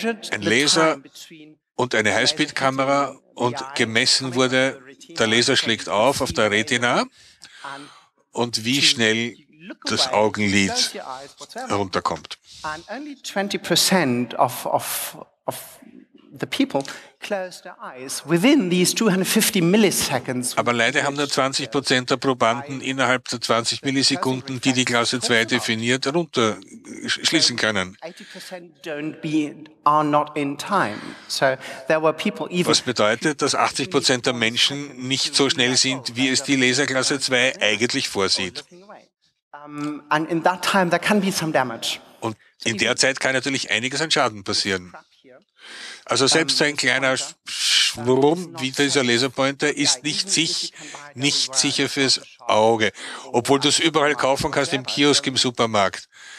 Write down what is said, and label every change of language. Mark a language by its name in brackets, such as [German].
[German] Ein Laser und eine Highspeed-Kamera und gemessen wurde, der Laser schlägt auf der Retina und wie schnell das Augenlid runterkommt. Und nur [English] 20% of the people closed their eyes within these 250 milliseconds. [German] Aber leider haben nur 20% der Probanden innerhalb der 20 Millisekunden, die die Klasse 2 definiert, runter schließen können. Was bedeutet, dass 80% der Menschen nicht so schnell sind, wie es die Laserklasse 2 eigentlich vorsieht. [English] And in that time there can be some damage. [German] Und in der Zeit kann natürlich einiges an Schaden passieren. Also selbst ein kleiner Schwurm wie dieser Laserpointer ist nicht sicher fürs Auge. Obwohl du es überall kaufen kannst, im Kiosk, im Supermarkt.